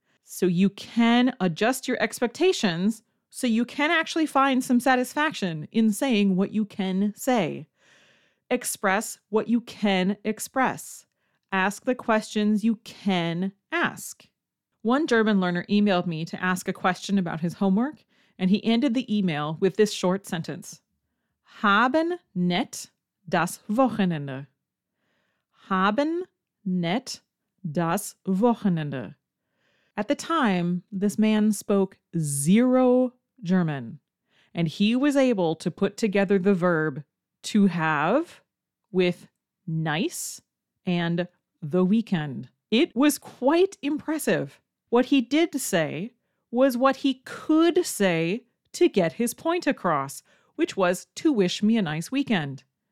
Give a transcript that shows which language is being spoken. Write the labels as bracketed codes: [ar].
[en] So you can adjust your expectations so you can actually find some satisfaction in saying what you can say. Express what you can express. Ask the questions you can ask. One German learner emailed me to ask a question about his homework, and he ended the email with this short sentence. [de] Haben nicht das Wochenende. Haben nicht das Wochenende. [en] At the time, this man spoke zero German, and he was able to put together the verb to have with nice and the weekend. It was quite impressive. What he did say was what he could say to get his point across, which was to wish me a nice weekend.